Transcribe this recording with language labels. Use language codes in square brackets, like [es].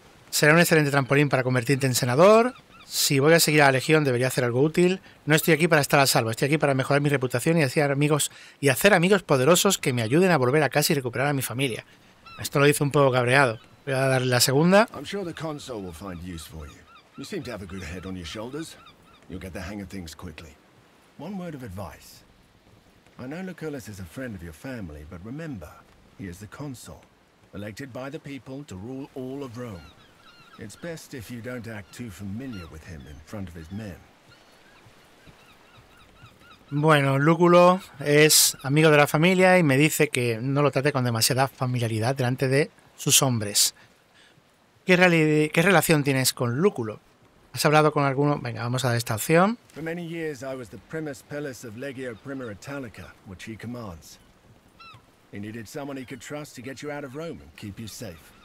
[es] Será un excelente trampolín para convertirte en senador. Si voy a seguir a la legión, debería hacer algo útil. No estoy aquí para estar a salvo. Estoy aquí para mejorar mi reputación y hacer amigos poderosos que me ayuden a volver a casa y recuperar a mi familia. Esto lo dice un poco cabreado. Voy a darle la segunda. [en] I'm sure the console will find use for you. You seem to have a good head on your shoulders. You'll get the hang of things quickly. One word of advice. I know Lucullus is a friend of your family, but remember, he is the console, elected by the people to rule all of Rome. It's best if you don't act too familiar with him in front of his men. [es] Bueno, Lúculo es amigo de la familia y me dice que no lo trate con demasiada familiaridad delante de sus hombres. ¿Qué relación tienes con Lúculo? ¿Has hablado con alguno? Venga, vamos a dar esta opción. [en] For many years I was the primus pellis of Legio Primer Italica, which he commands. He needed someone he could trust to get you out of Rome and keep you safe.